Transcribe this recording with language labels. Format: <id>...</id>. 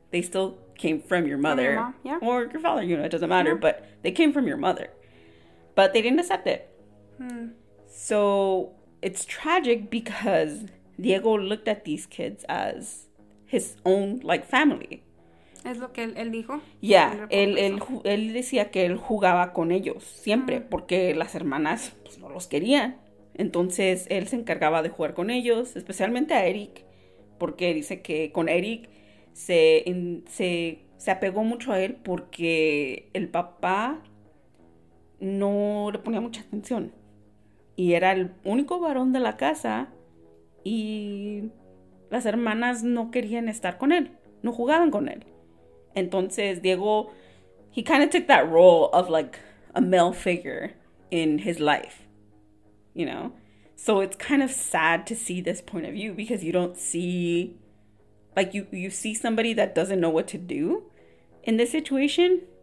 <en>They still came from your mother. From your mom, yeah. Or your father, you know, it doesn't matter. Yeah. But they came from your mother. But they didn't accept it. Hmm. So it's tragic because Diego looked at these kids as his own, like, family.</en> <es>¿Es lo que él dijo? Yeah, él decía que él jugaba con ellos siempre, mm, porque las hermanas, pues, no los querían. Entonces, él se encargaba de jugar con ellos, especialmente a Eric, porque dice que con Eric se apegó mucho a él porque el papá no le ponía mucha atención. Y era el único varón de la casa y las hermanas no querían estar con él, no jugaban con él.</es> <en>Entonces Diego, he kind of took that role of like a male figure in his life, you know? So it's kind of sad to see this point of view because you don't see, like, you see somebody that doesn't know what to do in this situation.</en>